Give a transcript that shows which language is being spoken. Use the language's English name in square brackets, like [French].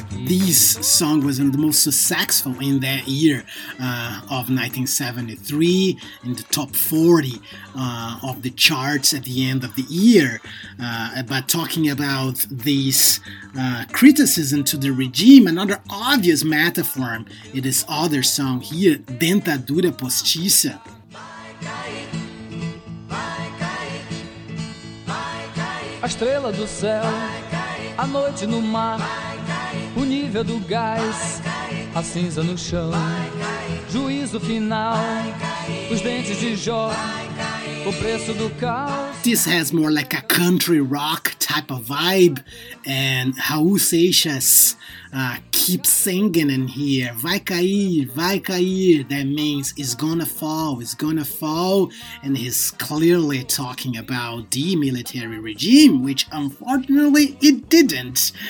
[English] This song was one of the most successful in that year of 1973, in the top 40 of the charts at the end of the year. But talking about this criticism to the regime, another obvious metaphor, it is other song here, Dentadura Postiça. [Portuguese] A estrela do céu, a noite no mar, o nível do gás, a cinza no chão, juízo final, os dentes de Jó, o preço do caos. [English] This has more like a country rock type of vibe, and Raul Seixas keep singing in here, [Portuguese] vai cair, [English] that means it's gonna fall, and he's clearly talking about the military regime, which unfortunately it didn't.